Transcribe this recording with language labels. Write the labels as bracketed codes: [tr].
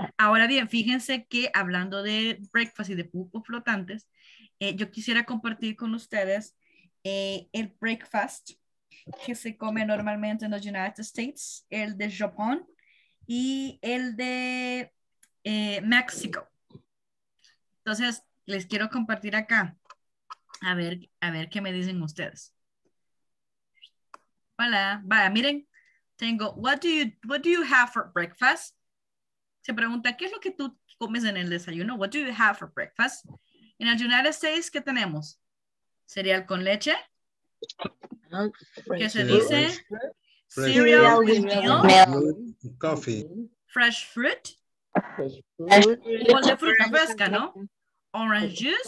[es] Ahora bien, fíjense que hablando de breakfast y de pupos flotantes, yo quisiera compartir con ustedes el breakfast que se come normalmente en los United States, el de Japón y el de México. Entonces, les quiero compartir acá, a ver qué me dicen ustedes. Hola, vaya, miren, tengo, [en] what do you have for breakfast? [es] Se pregunta, ¿qué es lo que tú comes en el desayuno? [en] What do you have for breakfast? [es] En el United States, ¿qué tenemos? ¿Cereal con leche? ¿Qué se dice? [en] Cereal with milk. Coffee. Fresh fruit. Fresh fruit. [es] Fruta fresca, ¿no? [en] Orange juice.